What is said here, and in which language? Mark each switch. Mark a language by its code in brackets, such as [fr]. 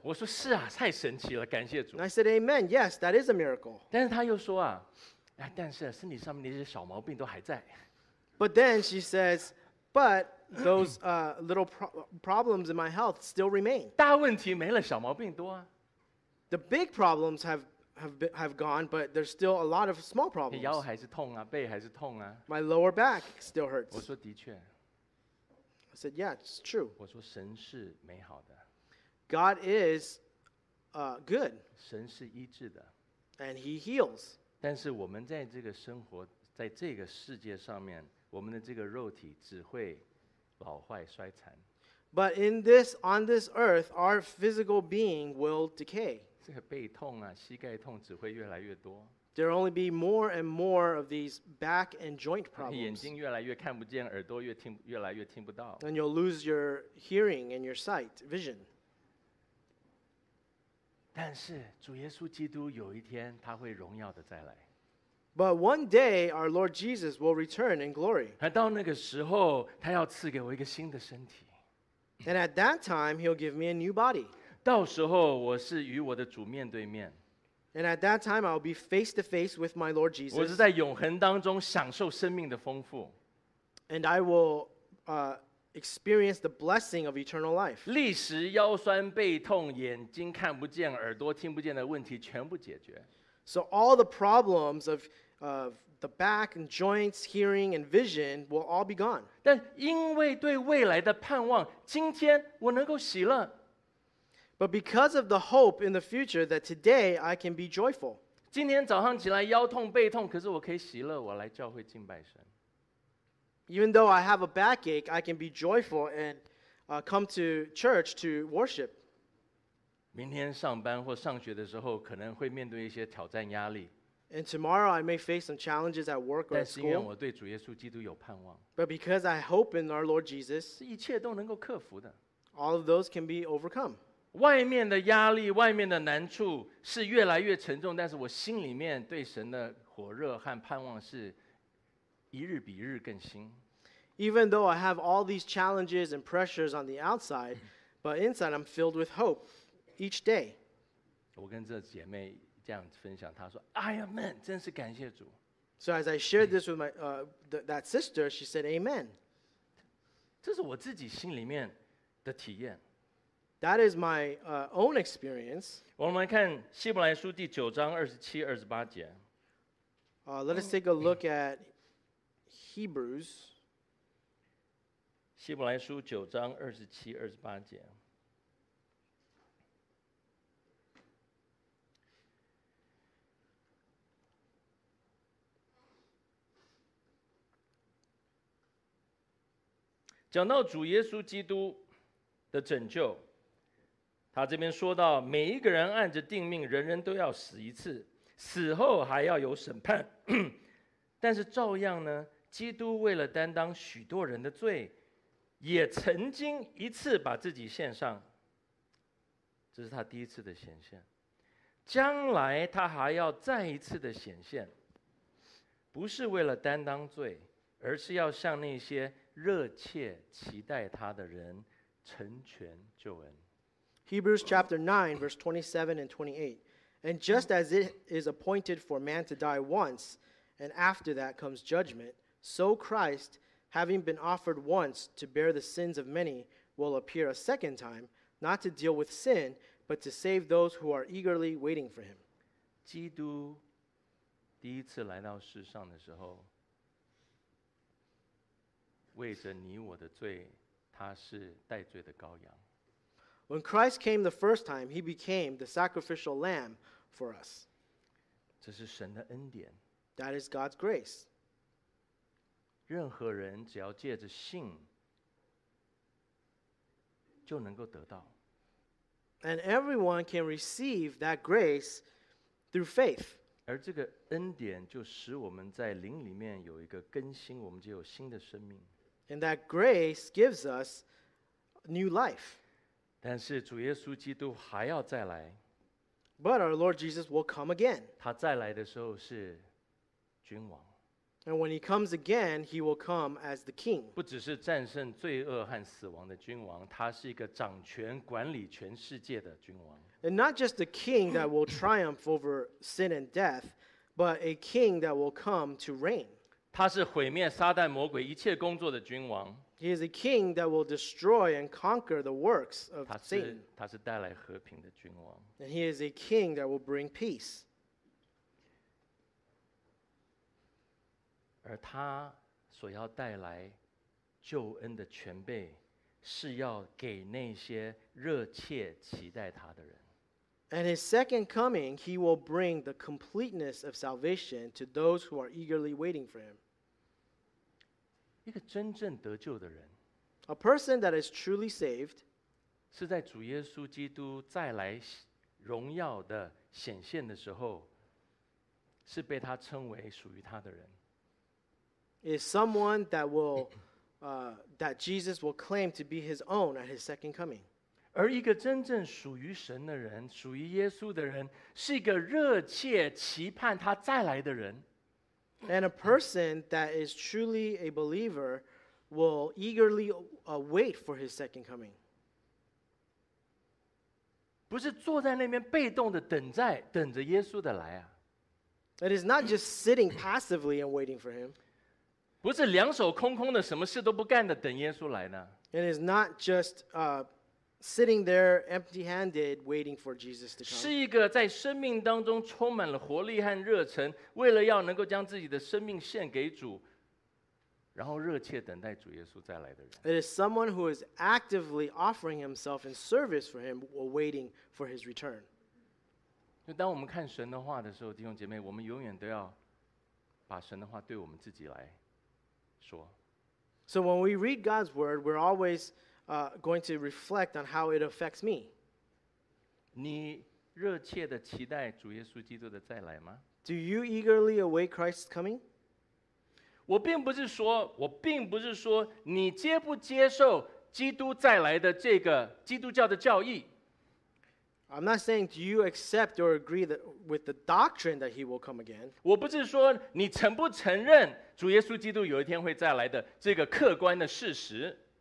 [zh] 我说是啊，太神奇了，感谢主。 [en] And I said, Amen. Yes, that is a miracle. [zh] 但是他又说啊，哎，但是身体上面那些小毛病都还在。 [en] But then she says. But those little problems in my health still remain. [zh] 大问题没了，小毛病多啊。 [en] The big problems have gone, but there's still a lot of small problems. [zh] 腰还是痛啊，背还是痛啊。 [en] My lower back still hurts. [zh] 我说的确。 [en] I said, yeah, it's true. [zh] 我说神是美好的。 [en] God is good. [zh] 神是医治的。 [en] And He heals. [zh] 但是我们在这个生活，在这个世界上面。我们的这个肉体只会老坏衰残。 [en] But in this, on this earth, our physical being will decay. [zh] 这个背痛啊，膝盖痛只会越来越多。 [en] There will only be more and more of these back and joint problems. [zh] 眼睛越来越看不见，耳朵越来越听不到。 [en] And you'll lose your hearing and your sight, vision. [zh] 但是主耶稣基督有一天他会荣耀的再来。 [en] But one day, our Lord Jesus will return in glory. [zh] 到那个时候，他要赐给我一个新的身体。 [en] And at that time, He'll give me a new body. [zh] 到时候，我是与我的主面对面。 [en] And at that time, I'll be face to face with my Lord Jesus. [zh] 我是在永恒当中享受生命的丰富。 [en] And I will experience the blessing of eternal life. [zh] 历时腰酸背痛，眼睛看不见，耳朵听不见的问题全部解决。 [en] So all the problems of the back and joints, hearing and vision will all be gone. [zh] 但因为对未来的盼望，今天我能够喜乐。 [en] But because of the hope in the future that today I can be joyful. [zh] 今天早上起来腰痛背痛，可是我可以喜乐，我来教会敬拜神。 [en] Even though I have a backache, I can be joyful and come to church to worship. [zh] 明天上班或上学的时候，可能会面对一些挑战压力。 [en] And tomorrow I may face some challenges at work or school. [zh] 但是因为我对主耶稣基督有盼望。 [en] But because I hope in our Lord Jesus. [zh] 一切都能够克服的。 [en] All of those can be overcome. [zh] 外面的压力，外面的难处是越来越沉重，但是我心里面对神的火热和盼望是一日比一日更新。 [en] Even though I have all these challenges and pressures on the outside, but inside I'm filled with hope. Each day, [zh] 我跟这姐妹这样分享，她说 ，Amen， 真是感谢主。 [en] So as I shared this with my that sister, she said, Amen. [zh] 这是我自己心里面的体验。 [en] That is my own experience. [zh] 我们来看希伯来书第九章二十七、二十八节。 [en] Let us take a look at Hebrews. [zh] 希伯来书九章二十七、二十八节。讲到主耶稣基督的拯救，他这边说到每一个人按着定命，人人都要死一次，死后还要有审判。但是照样呢，基督为了担当许多人的罪，也曾经一次把自己献上，这是他第一次的显现。将来他还要再一次的显现，不是为了担当罪，而是要向那些热切期待他的人成全救恩。 [en] Hebrews chapter 9 verse 27 and 28. And just as it is appointed for man to die once, and after that comes judgment, so Christ, having been offered once to bear the sins of many, will appear a second time, not to deal with sin, but to save those who are eagerly waiting for him. [zh] 基督第一次来到世上的时候，为着你我的罪，他是代罪的羔羊。 [en] When Christ came the first time, he became the sacrificial lamb for us. [zh] 这是神的恩典。 [en] That is God's grace. [zh] 任何人只要借着信，就能够得到。 [en] And everyone can receive that grace through faith. [zh] 而这个恩典就使我们在灵里面有一个更新，我们就有新的生命。 [en] And that grace gives us new life. [zh] 但是主耶稣基督还要再来。 [en] But our Lord Jesus will come again. [zh] 他再来的时候是君王。 [en] And when he comes again, he will come as the king. [zh] 不只是战胜罪恶和死亡的君王，他是一个掌权管理全世界的君王。 [en] And not just a king that will triumph over sin and death, but a king that will come to reign. [zh] 他是毁灭撒旦魔鬼一切工作的君王。 [en] He is a king that will destroy and conquer the works of Satan. [zh] 他是带来和平的君王。 [en] And he is a king that will bring peace. [zh] 而他所要带来救恩的全备，是要给那些热切期待他的人。 [en] And his second coming, he will bring the completeness of salvation to those who are eagerly waiting for him. [zh] 一个真正得救的人， [en] A person that is truly saved, [zh] 是在主耶稣基督再来荣耀的显现的时候，是被他称为属于他的人。 [en] Is someone that will, that Jesus will claim to be his own at his second coming. [zh] 而一个真正属于神的人，属于耶稣的人，是一个热切期盼他再来的人。 [en] And a person that is truly a believer will eagerly wait for his second coming. [zh] 不是坐在那边被动的等在等着耶稣的来啊。 [en] It is not just sitting passively and waiting for him. [zh] 不是两手空空的什么事都不干的等耶稣来呢。 [en] It is not just sitting there empty-handed waiting for Jesus to come. [zh] 是一个在生命当中充满了活力和热忱，为了要能够将自己的生命献给主，然后热切等待主耶稣再来的人。 [en] It is someone who is actively offering himself in service for him, waiting for his return. [zh] 就当我们看神的话的时候，弟兄姐妹，我们永远都要把神的话对我们自己来说。 [en] So when we read God's word, we're always going to reflect on how it affects me. [zh] 你热切地期待主耶稣基督的再来吗？ [en] Do you eagerly await Christ's coming? [zh] 我并不是说你接不接受基督再来的这个基督教的教义。 [en] I'm not saying do you accept or agree that with the doctrine that he will come again. [zh] 我不是说你承不承认主耶稣基督有一天会再来的这个客观的事实。